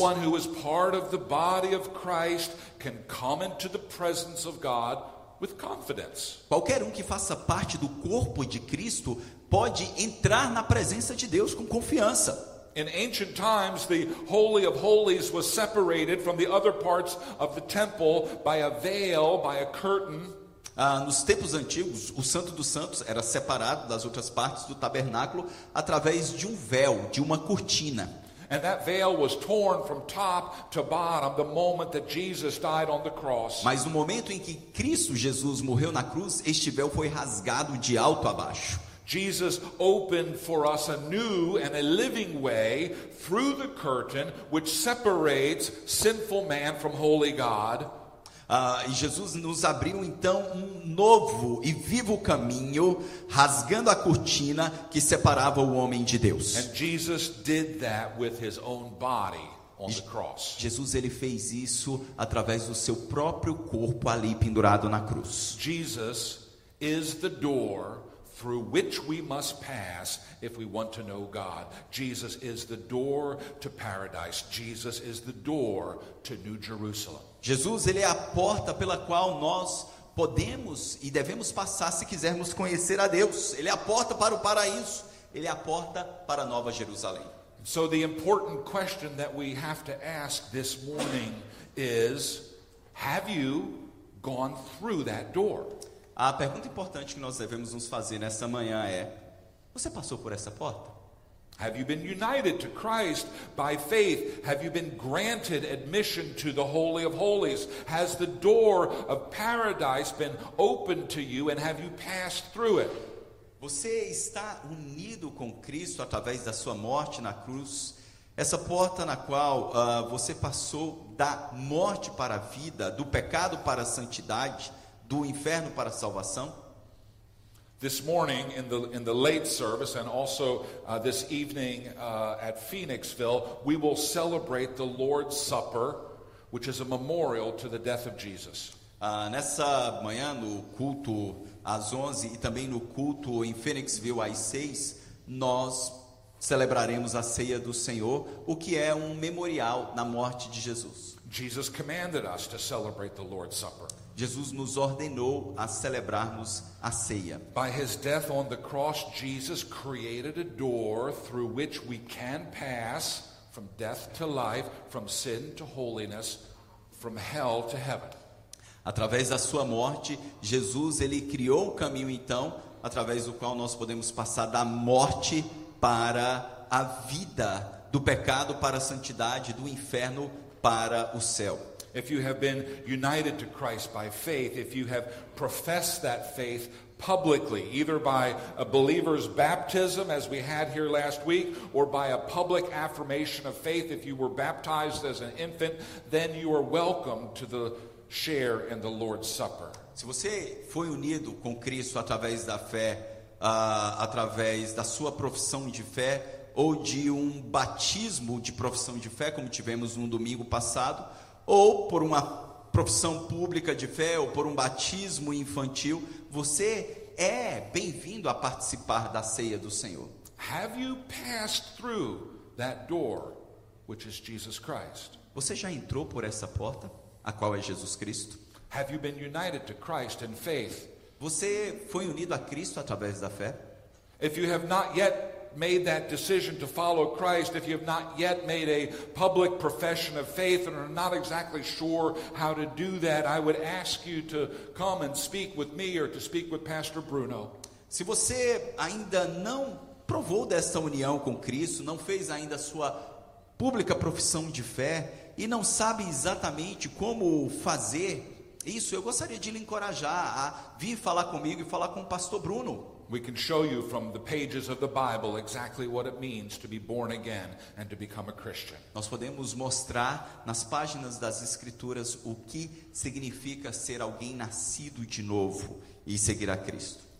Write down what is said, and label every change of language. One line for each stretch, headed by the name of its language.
English: Anyone who is part of the body of Christ can come into the presence of God with confidence.
Portuguese: Qualquer um que faça parte do corpo de Cristo pode entrar na presença de Deus com confiança.
English: In ancient times, the Holy of Holies was separated from the other parts of the temple by a veil, by a curtain.
Portuguese: Nos tempos antigos, o Santo dos Santos era separado das outras partes do tabernáculo através de um véu, de uma cortina.
English: And that veil was torn from top to bottom the moment that Jesus died on the cross.
Portuguese: Mas no momento em que Cristo Jesus morreu na cruz, este véu foi rasgado de alto a baixo.
English: Jesus opened for us a new and a living way through the curtain which separates sinful man from holy God.
Portuguese: E Jesus nos abriu então um novo e vivo caminho, rasgando a cortina que separava o homem de Deus.
English: And Jesus did that with his own body on the cross.
Portuguese: Jesus ele fez isso através do seu próprio corpo ali pendurado na cruz.
English: Jesus is the door through which we must pass if we want to know God. Jesus is the door to paradise. Jesus is the door to New Jerusalem.
Portuguese: Jesus, ele é a porta pela qual nós podemos e devemos passar se quisermos conhecer a Deus. Ele é a porta para o paraíso. Ele é a porta para a Nova Jerusalém.
English: So the important question that we have to ask this morning is, have you gone through that door?
Portuguese: A pergunta importante que nós devemos nos fazer nessa manhã é, você passou por essa porta?
English: Have you been united to Christ by faith? Have you been granted admission to the Holy of Holies? Has the door of paradise been opened to you and have you passed through it?
Portuguese: Você está unido com Cristo através da sua morte na cruz? Essa porta na qual você passou da morte para a vida, do pecado para a santidade, do inferno para a salvação?
English: This morning in the late service and also this evening at Phoenixville, we will celebrate the Lord's Supper, which is a memorial to the death of Jesus.
Portuguese: Nessa manhã, no culto às 11 e também no culto em Phoenixville às 6, nós celebraremos a ceia do Senhor, o que é um memorial na morte de Jesus.
English: Jesus commanded us to celebrate the Lord's Supper.
Portuguese: Jesus nos ordenou a celebrarmos a ceia.
English: By his death on the cross, Jesus created a door through which we can pass from death to life, from sin to holiness, from hell to heaven.
Portuguese: Através da sua morte, Jesus ele criou um caminho então, através do qual nós podemos passar da morte para a vida, do pecado para a santidade, do inferno para o céu.
English: If you have been united to Christ by faith, if you have professed that faith publicly, either by a believer's baptism, as we had here last week, or by a public affirmation of faith, if you were baptized as an infant, then you are welcome to the share in the Lord's Supper.
Portuguese: Se você foi unido com Cristo através da fé, através da sua profissão de fé, ou de um batismo de profissão de fé, como tivemos no domingo passado, ou por uma profissão pública de fé, ou por um batismo infantil, você é bem-vindo a participar da ceia do Senhor.
English: Have you passed through that door, which is Jesus Christ?
Portuguese: Você já entrou por essa porta, a qual é Jesus Cristo?
English: Have you been united to Christ in faith?
Portuguese: Você foi unido a Cristo através da fé?
English: If you have not yet made that decision to follow Christ, if you have not yet made a public profession of faith and are not exactly sure how to do that, I would ask you to come and speak with me or to speak with Pastor Bruno.
Portuguese: Se você ainda não provou dessa união com Cristo, não fez ainda a sua pública profissão de fé e não sabe exatamente como fazer isso, eu gostaria de lhe encorajar a vir falar comigo e falar com o Pastor Bruno.
English: We can show you from the pages of the Bible exactly what it means to be born again and to become a Christian.
Portuguese: Nós podemos mostrar nas páginas das Escrituras o que significa ser alguém nascido de novo e seguir a Cristo.